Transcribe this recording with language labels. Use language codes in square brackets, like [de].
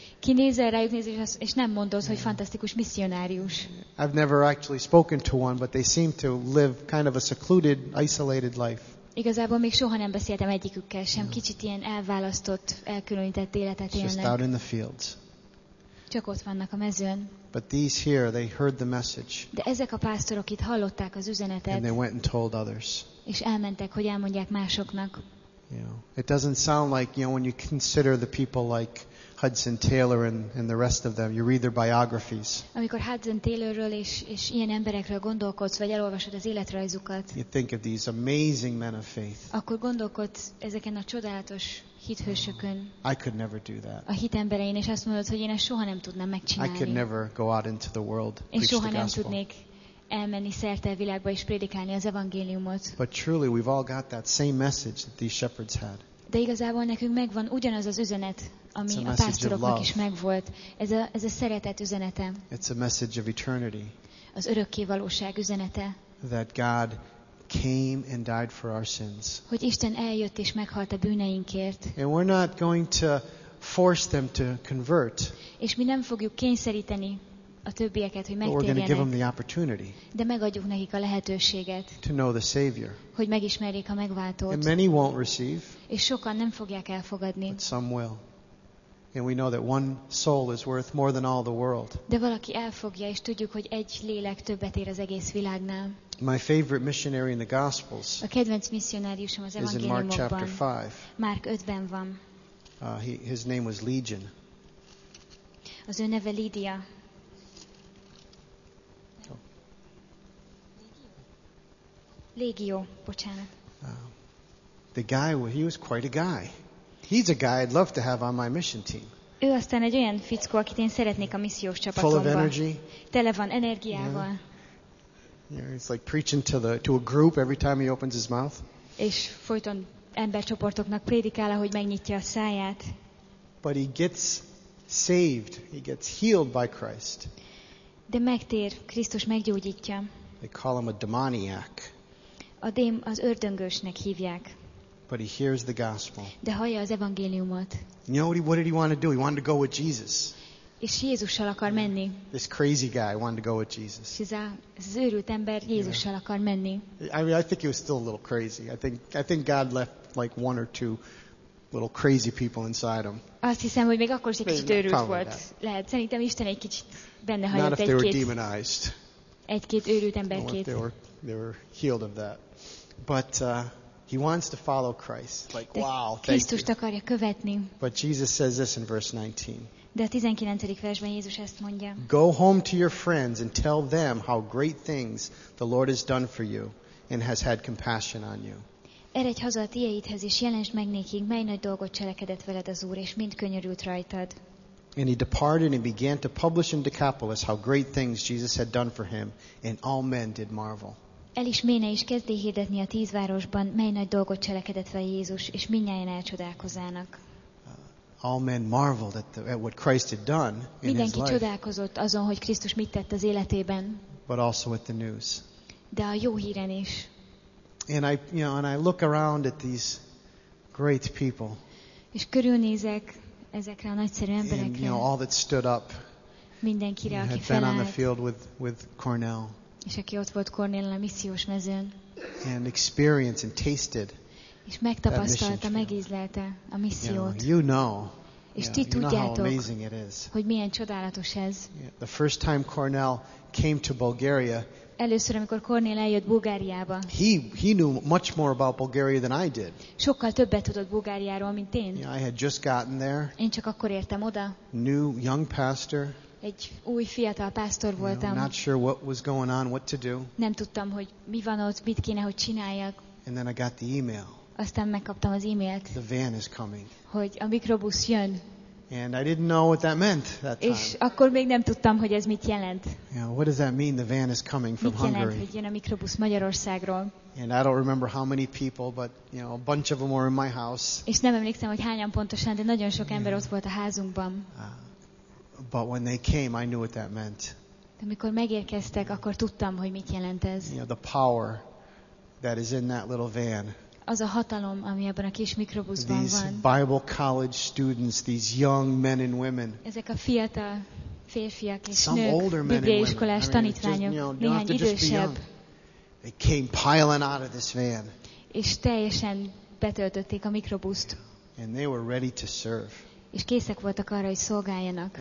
[hu] Kinézel rájuk, nézel, és nem mondod, hogy fantasztikus misszionárius. [en] I've never actually spoken to one, but they seem to live kind of a secluded, isolated life. [hu] Igazából még soha nem beszéltem egyikükkel sem. Kicsit ilyen elválasztott, elkülönített életet élnek. [en] Just out in the fields. [hu] Csak ott vannak a mezőn. [en] But these here, they heard the message. [hu] De ezek a pásztorok itt hallották az üzenetet. [en] And they went and told others. [hu] És elmentek, hogy elmondják másoknak. [en] You know, it doesn't sound like, you know, when you consider the people like Hudson Taylor and the rest of them, you read their biographies. [hu] Amikor Hudson Taylorról és ilyen emberekről gondolkodsz, vagy elolvasod az életrajzukat. [en] You think of these amazing men of faith. [hu] Akkor gondolkodsz ezeken a csodálatos hithősökön. [en] I could never do that. [hu] A hit emberein, és azt mondod, hogy én ezt soha nem tudnám megcsinálni. [en] I could never go out into the world, preach the gospel. [hu] Én soha nem tudnék elmenni szerte a világba és prédikálni az evangéliumot. [en] But truly we've all got that same message that these shepherds had. [hu] De igazából nekünk megvan ugyanaz az üzenet, ami a pásztoroknak is megvolt. Ez a szeretet üzenete. [en] It's a message of eternity. [hu] Az örökké valóság üzenete. [en] That God came and died for our sins. [hu] Hogy Isten eljött és meghalt a bűneinkért. [en] And we're not going to force them to convert. [hu] És mi nem fogjuk kényszeríteni a többieket, hogy megtérjenek. De megadjuk nekik a lehetőséget, [en] to know the Savior. [hu] Hogy megismerjék a megváltót. [en] And many won't receive, [hu] és sokan nem fogják elfogadni. [en] But some will. And we know that one soul is worth more than all the world. [hu] De valaki elfogja, és tudjuk, hogy egy lélek többet ér az egész világnál. [en] My favorite missionary in the Gospels, [hu] a kedvenc misszionáriusom az evangéliumokban, Márk 5-ben van. [en] His name was Legion. [hu] Az ő neve Lídia. Legio, bocsánat. [en] The guy, he was quite a guy. He's a guy I'd love to have on my mission team. [hu] Ő aztán egy olyan fickó, akit én szeretnék a missziós csapatomban. [en] Full of energy. [hu] Tele van energiával. [en] Yeah. Yeah, it's like preaching to a group every time he opens his mouth. [hu] És folyton embercsoportoknak prédikál, ahogy megnyitja a száját. [en] But he gets saved. He gets healed by Christ. [hu] De megtér, Krisztus meggyógyítja. [en] They call him a demoniac. [hu] A dém az ördöngősnek hívják. [en] But he hears the gospel. [hu] De hallja az evangéliumot. [en] You know what did he want to do? He wanted to go with Jesus. [hu] És Jézussal akar menni. [en] This crazy guy wanted to go with Jesus. [hu] Ez az őrült ember Jézussal akar menni. [en] I mean, I think he was still a little crazy. I think God left like one or two little crazy people inside him. [hu] Azt hiszem, hogy még akkor is egy kicsit őrült volt. Lehet, szerintem Isten egy kicsit benne hagyott egy-két. [en] Not if they were demonized. [hu] Egy-két őrült emberkét. [en] They were healed of that. But he wants to follow Christ. Like, [hu] de [en] wow, [hu] Krisztust [en] thank [hu] akarja követni. [en] But Jesus says this in verse 19. [hu] De a 19. versben Jézus ezt mondja. [en] Go home to your friends and tell them how great things the Lord has done for you and has had compassion on you. [hu] Eredj haza a tieidhez, és jelensd meg nékik, mely nagy dolgot cselekedett veled az Úr, és mind könyörült rajtad. [en] And he departed and began to publish in Decapolis how great things Jesus had done for him, and all men did marvel. [hu] El is méne is kezdi hirdetni a tíz városban, mely nagy dolgot cselekedett fel Jézus, és mindnyájan elcsodálkozának. [en] All men marveled at what Christ had done in his life. [hu] Mindenki csodálkozott azon, hogy Krisztus mit tett az életében. [en] But also at the news. [hu] De a jó híren is. [en] And I, you know, and I look around at these great people. [hu] És körülnézek ezekre a nagyszerű emberekre. [en] And, you know, all that stood up. [hu] Mindenkire, aki felállt. [en] Had been on the field with Cornell. [hu] És aki ott volt Cornell a missziós mezőn. [en] And experienced and tasted. [hu] És megtapasztalta, megízlelte a missziót. [en] You know. [hu] És ti tudjátok, hogy milyen csodálatos ez. [en] The first time Cornell came to Bulgaria. [hu] Először, amikor Cornél eljött Bulgáriába. [en] He knew much more about Bulgaria than I did. [hu] Sokkal többet tudott Bulgáriáról, mint én. [en] Yeah, I had just gotten there. [hu] Én csak akkor értem oda. [en] New young pastor. [hu] Egy új fiatal pásztor voltam. [en] Not sure what was going on, what to do. [hu] Nem tudtam, hogy mi van ott, mit kéne, hogy csináljak. [en] And then I got the email. [hu] Aztán megkaptam az e-mailt. [en] The van is coming. [hu] Hogy a mikrobusz jön. [en] And I didn't know what that meant that time. [hu] És akkor még nem tudtam, hogy ez mit jelent. [en] Yeah, what does that mean? The van is coming from Hungary. [hu] Mit jelent, hogy jön a mikrobusz Magyarországról? [en] And I don't remember how many people, but you know, a bunch of them were in my house. [hu] És nem emlékszem, hogy hányan pontosan, de nagyon sok ember ott volt a házunkban. [en] But when they came, I knew what that meant. [hu] De amikor megérkeztek, akkor tudtam, hogy mit jelent ez. [en] You know, the power that is in that little van. [hu] Az a hatalom, ami ebben a kis mikrobuszban [en] these [hu] van. [en] Bible college students, these young men and women. [hu] Ezek a fiatal férfiak és [en] some [hu] nők, [en] older men and [hu] iskolás tanítványok, néhány idősebb. [en] They came piling out of this van. [hu] És teljesen betöltötték a mikrobuszt. [en] And they were ready to serve. [hu] És készek voltak arra, hogy szolgáljanak.